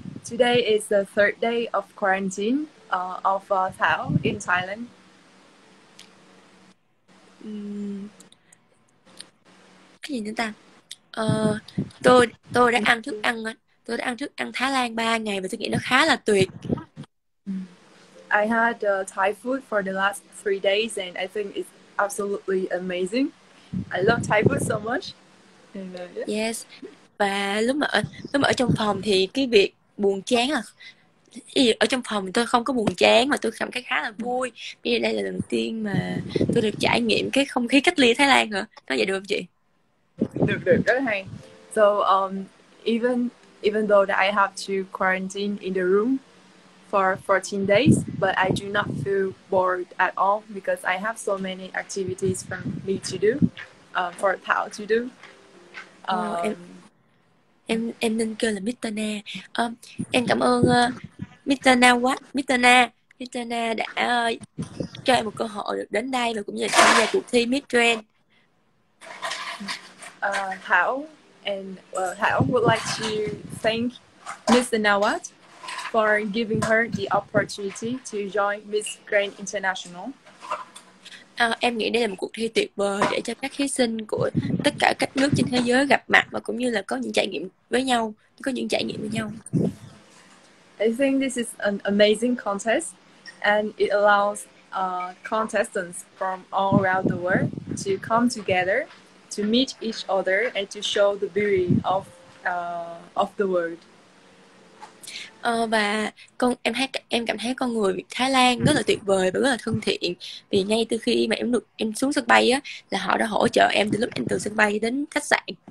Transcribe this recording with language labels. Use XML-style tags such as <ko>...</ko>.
<en>Today is the third day of quarantine of Thảo in Thailand.</en> <vi>Cái gì nữa ta? Tôi đã ăn thức ăn Thái Lan 3 ngày và tôi nghĩ nó khá là tuyệt.</vi> <en>Had Thai food for the last 3 days and I think it's absolutely amazing. I love Thai food so much. Yes.</en> <vi>Và lúc mà ở trong phòng thì cái việc buồn chán là ở trong phòng tôi không có buồn chán mà tôi cảm thấy khá là vui. Vì đây là lần đầu tiên mà tôi được trải nghiệm cái không khí cách ly ở Thái Lan hả? Nói vậy được không chị? Được được rất hay.</vi> <en>So even though that I have to quarantine in the room for 14 days, but I do not feel bored at all because I have so many activities for me to do, for Thảo to do.</en> <vi>Em nên kêu là Mr. Na. Em cảm ơn Mr. Na quá. Mr. Na đã cho em một cơ hội được đến đây và cũng như là tham gia cuộc thi Miss Trend.</vi> <en>Thảo and Thảo would like to thank Miss Nawat. for giving her the opportunity to join Miss Grand International.</en> <vi>Em nghĩ đây là một cuộc thi tuyệt vời để cho các thí sinh của tất cả các nước trên thế giới gặp mặt và cũng như là có những trải nghiệm với nhau, có những trải nghiệm với nhau.</vi> <en>I think this is an amazing contest and it allows contestants from all around the world to come together to meet each other and to show the beauty of the world.</en> <vi>Và em cảm thấy con người Thái Lan rất là tuyệt vời và rất là thân thiện, vì ngay từ khi mà em xuống sân bay á là họ đã hỗ trợ em từ lúc em từ sân bay đến khách sạn.</vi>